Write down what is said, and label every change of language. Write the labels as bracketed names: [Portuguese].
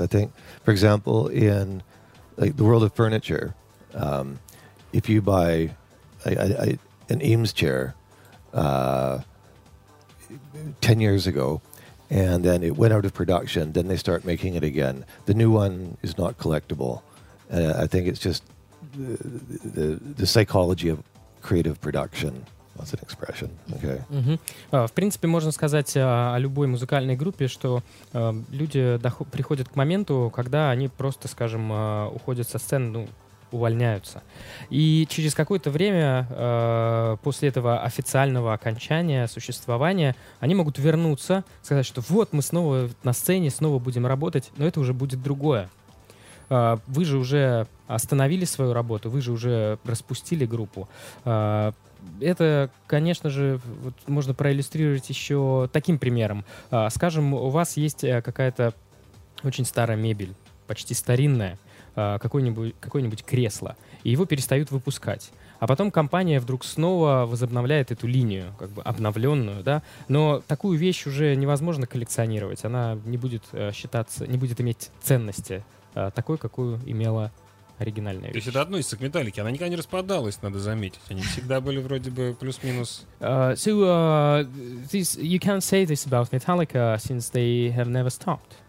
[English] I think, for example, in like the world of furniture, if you buy an Eames chair 10 years ago, and then it went out of production, then they start making it again. The new one is not collectible. I think it's just the psychology of creative production. That's an expression. Okay. Mm-hmm. [Russian] В принципе, можно сказать о любой музыкальной группе, что люди приходят к моменту, когда они просто, скажем, уходят со сцены, ну, увольняются. И через какое-то время после этого официального окончания существования они могут вернуться, сказать, что вот мы снова на сцене, снова будем работать, но это уже будет другое. Вы же уже остановили свою работу, вы же уже распустили группу. Это, конечно же, вот можно проиллюстрировать еще таким примером. Скажем, у вас есть какая-то очень старая мебель, почти старинная. Какое-нибудь кресло, и его перестают выпускать. А потом компания вдруг снова возобновляет эту линию, как бы обновленную, да. Но такую вещь уже невозможно коллекционировать. Она не будет считаться, не будет иметь ценности такой, какую имела оригинальная вещь. То есть это относится к Металлике. Она никогда не распадалась, надо заметить. Они всегда были вроде бы плюс-минус. [English] So, you can't say this about Metallica since they have never stopped.